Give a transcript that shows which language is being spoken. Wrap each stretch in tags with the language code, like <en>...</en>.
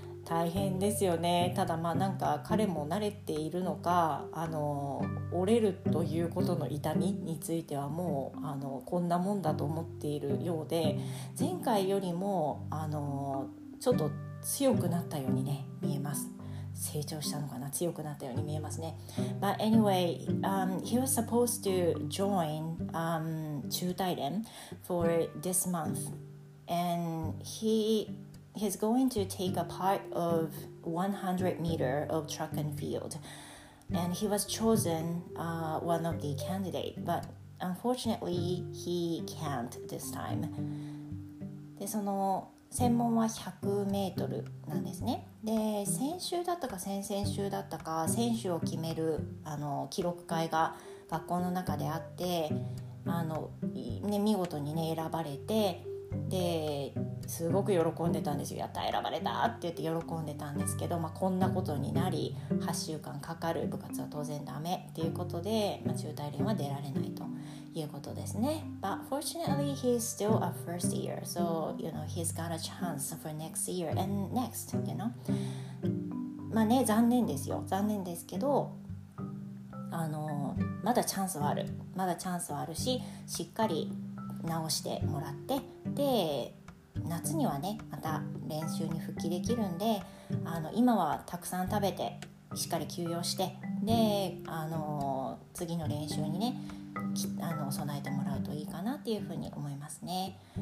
<ja>大変ですよね。ただなんか彼も慣れているのか、折れるということの痛みについてはもうこんなもんだと思っているようで、前回よりもちょっと強くなったようにね見えます。成長したのかな、強くなったように見えますね。</ja> <en>But anyway, he was supposed to join 中大連 for this month, and he's going to take a part of 100 meter of track and field, and he was chosen one of the candidates, but unfortunately, he can't this time.</en> <ja>で、その専門は100メートルなんですね。で、先週だったか先々週だったか、選手を決めるあの記録会が学校の中であって、あの、ね、見事にね、選ばれて、で、すごく喜んでたんですよ。やった、選ばれたって言って喜んでたんですけど、まあ、こんなことになり、8週間かかる、部活は当然ダメっていうことで、まあ、中退連は出られないということですね。</ja> <en>But fortunately, he's still a first year. So, you know, he's got a chance for next year and next, you know.</en> <ja>まあね、残念ですよ。残念ですけど、あの、まだチャンスはある。まだチャンスはあるし、しっかり直してもらって、で、夏にはね、また練習に復帰できるんで、あの、今はたくさん食べて、しっかり休養して、で、あの、次の練習にね、あの、備えてもらうといいかなっていうふうに思いますね。</ja>